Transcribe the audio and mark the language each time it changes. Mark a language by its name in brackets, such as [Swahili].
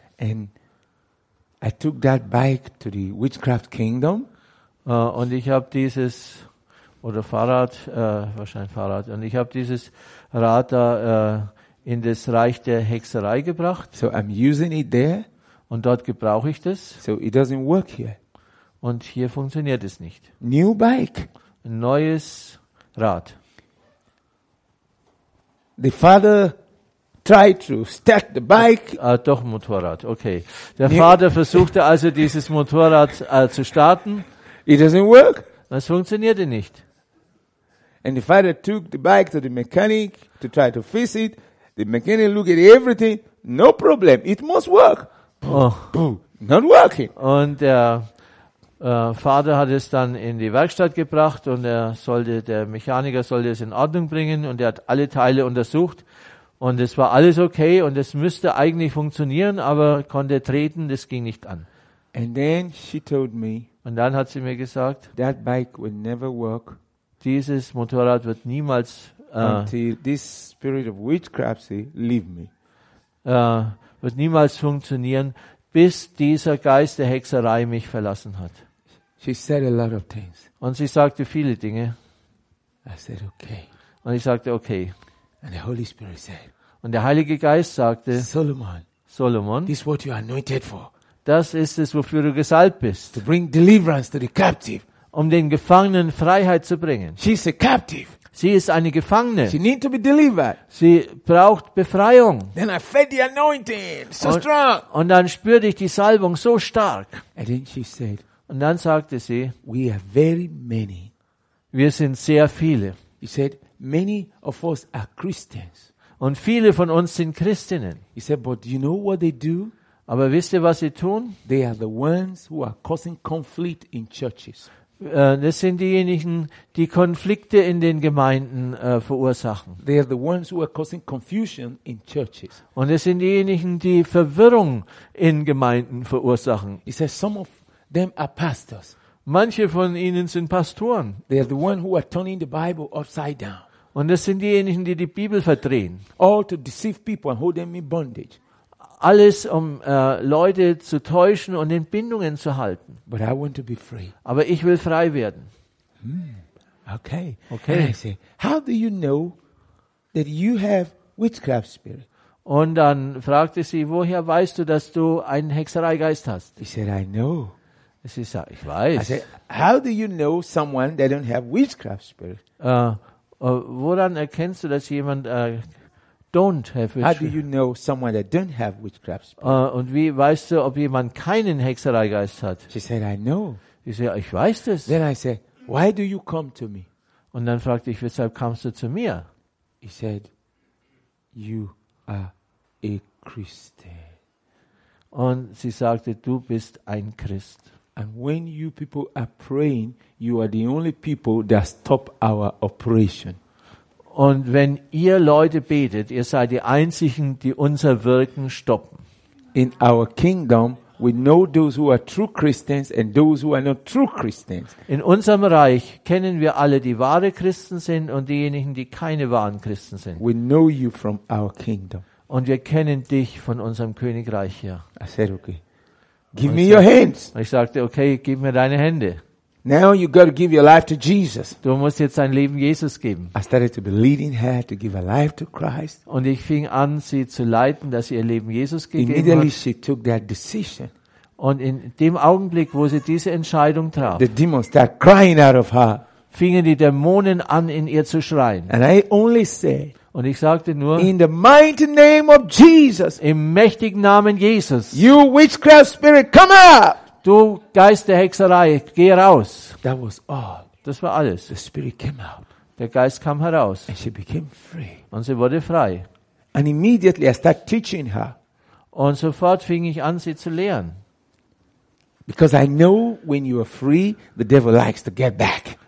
[English] And I took that bike to the witchcraft kingdom. [German] Und ich habe dieses oder Fahrrad wahrscheinlich Fahrrad und ich habe dieses Rad da in das Reich der Hexerei gebracht. [English] So I'm using it there. [German] Und dort gebrauche ich das. [English] So it doesn't work here. [German] Und hier funktioniert es nicht. [English] New bike. [German] Ein neues Rad. [English] The father tried to start the bike. [German] Doch Motorrad. Okay. Der Vater versuchte also dieses Motorrad zu starten. [English] It doesn't work. [German] Das funktionierte nicht. [English] And the father took the bike to the mechanic to try to fix it. The mechanic looked at everything. No problem. It must work. Not working. [German] Und der Vater hat es dann in die Werkstatt gebracht und der Mechaniker sollte es in Ordnung bringen und er hat alle Teile untersucht und es war alles okay und es müsste eigentlich funktionieren, aber konnte treten, das ging nicht an. [English] And then she told me. [German] Und dann hat sie mir gesagt, [English] that bike will never work. [German] Dieses Motorrad wird niemals [English] until this spirit of witchcraft leave me. [German] Wird niemals funktionieren, bis dieser Geist der Hexerei mich verlassen hat. [English] She said a lot of things. [German] Und sie sagte viele Dinge. [English] I said okay. [German] Und ich sagte okay. [English] And the Holy Spirit said. [German] Und der Heilige Geist sagte. [English] Solomon. This is what you are anointed for. [German] Das ist es, wofür du gesalbt bist. [English] To bring deliverance to the captive. [German] Um den Gefangenen Freiheit zu bringen. [English] She's a captive. [German] Sie ist eine Gefangene. [English] She need to be delivered. [German] Sie braucht Befreiung. [English] Then I felt the anointing so strong. [German] Und dann spürte ich die Salbung so stark. [English] And then she said, [German] und dann sagte sie, [English] we are very many. [German] Wir sind sehr viele. [English] She said, many of us are Christians. [German] Und viele von uns sind Christinnen. [English] She said, but you know what they do? [German] Aber wisst ihr, was sie tun? [English] They are the ones who are causing conflict in churches. [German] Das sind diejenigen, die Konflikte in den Gemeinden verursachen. [English] They are the ones who are causing confusion in churches. [German] Und es sind diejenigen, die Verwirrung in Gemeinden verursachen. [English] He says some of them are pastors. [German] Manche von ihnen sind Pastoren. [English] They are the ones who are turning the Bible upside down. [German] Und es sind diejenigen, die die Bibel verdrehen. [English] All to deceive people and hold them in bondage. [German] Alles, um Leute zu täuschen und in Bindungen zu halten. [English] But I want to be free. [German] Aber ich will frei werden. [English] Okay. [German] Okay. [English] And I say, how do you know that you have witchcraft spirit? [German] Und dann fragte sie, woher weißt du, dass du einen Hexereigeist hast? [English] He said, I know. [German] Sie sagt, ich weiß. [English] I said, how do you know someone that don't have witchcraft spirit? [German] Woran erkennst du, dass jemand [English] don't have witchcraft? How do you know someone that don't have witchcraft spirit? [German] Und wie weißt du, ob jemand keinen Hexereigeist hat? [English] She said, I know. [German] Ich sage, ich weiß das. [English] Then I said, why do you come to me? [German] Und dann fragte ich, weshalb kamst du zu mir? [English] He said, you are a Christian. [German] Und sie sagte, du bist ein Christ. [English] And when you people are praying, you are the only people that stop our operation. [German] Und wenn ihr Leute betet, ihr seid die einzigen, die unser Wirken stoppen. [English] In our kingdom, we know those who are true Christians and those who are not true Christians. [German] In unserem Reich kennen wir alle, die wahre Christen sind und diejenigen, die keine wahren Christen sind. [English] We know you from our kingdom. [German] Und wir kennen dich von unserem Königreich hier. [English] I said, okay. Give me your hands. [German] Ich sagte, okay, gib mir deine Hände. [English] Now you got to give your life to Jesus. [German] Du musst jetzt dein Leben Jesus geben. [English] I started to be leading her to give her life to Christ. [German] Und ich fing an, sie zu leiten, dass sie ihr Leben Jesus gegeben hat. [English] Immediately she took that decision. [German] Und in dem Augenblick, wo sie diese Entscheidung traf, [English] the demons started crying out of her. [German] Fingen die Dämonen an, in ihr zu schreien. [English] And I only said. [German] Und ich sagte nur, [English] in the mighty name of Jesus, [German] im mächtigen Namen Jesus, [English] you witchcraft spirit, come out! [German] Du Geist der Hexerei, geh raus. [English] That was all. [German] Das war alles. [English] The spirit came out. [German] Der Geist kam heraus. [English] And she became free. [German] Und sie wurde frei. [English] And immediately I start teaching her. [German] Und sofort fing ich an, sie zu lehren. [English] Because I know when you are free, the devil likes to get back.